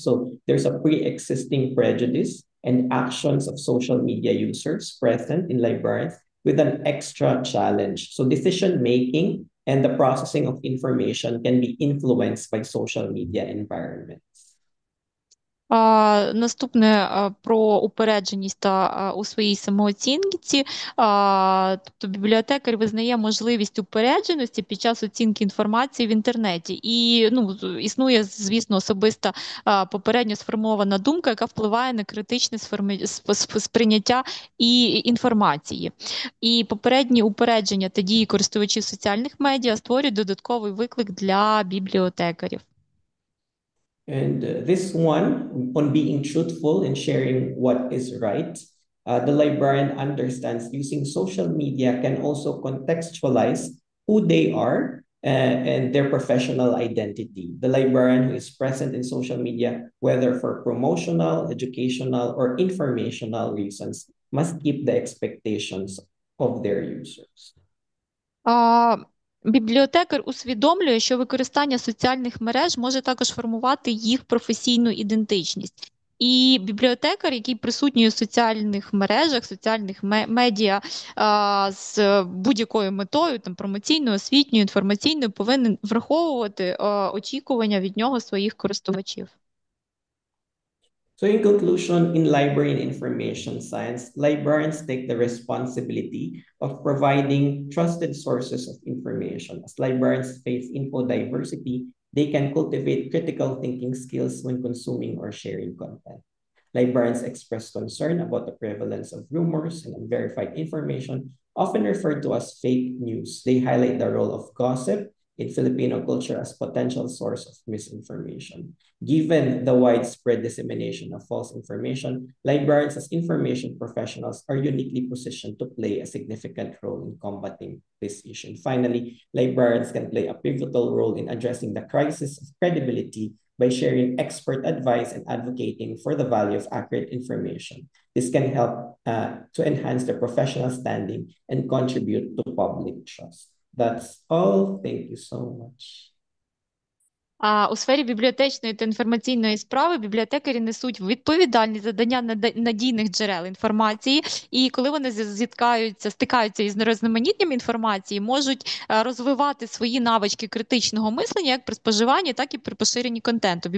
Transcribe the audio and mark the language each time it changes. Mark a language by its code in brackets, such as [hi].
[en] So there's a pre-existing prejudice and actions of social media users present in libraries with an extra challenge. So decision-making and the processing of information can be influenced by social media environment. [uk] Наступне про упередженість та у своїй самооцінці. Тобто бібліотекар визнає можливість упередженості під час оцінки інформації в інтернеті. І існує, звісно, особиста попередньо сформована думка, яка впливає на критичне сприйняття і інформації. І попередні упередження та дії користувачів соціальних медіа створюють додатковий виклик для бібліотекарів. [en] And this one, on being truthful and sharing what is right, the librarian understands using social media can also contextualize who they are and their professional identity. The librarian who is present in social media, whether for promotional, educational, or informational reasons, must keep the expectations of their users. [uk] Бібліотекар усвідомлює, що використання соціальних мереж може також формувати їх професійну ідентичність. І бібліотекар, який присутній у соціальних мережах, соціальних медіа з будь-якою метою, там промоційною, освітньою, інформаційною, повинен враховувати очікування від нього своїх користувачів. [en] So in conclusion, in library and information science, librarians take the responsibility of providing trusted sources of information. As librarians face info diversity, they can cultivate critical thinking skills when consuming or sharing content. Librarians express concern about the prevalence of rumors and unverified information, often referred to as fake news. They highlight the role of gossip in Filipino culture as potential source of misinformation. Given the widespread dissemination of false information, librarians as information professionals are uniquely positioned to play a significant role in combating this issue. And finally, librarians can play a pivotal role in addressing the crisis of credibility by sharing expert advice and advocating for the value of accurate information. This can help to enhance their professional standing and contribute to public trust. That's all. Thank you so much. [uk] У сфері бібліотечної та інформаційної справи бібліотекарі несуть відповідальність за надання надійних джерел інформації, і коли вони стикаються із нерозноманітням інформації, можуть розвивати свої навички критичного мислення як при споживанні, так і при поширенні контенту.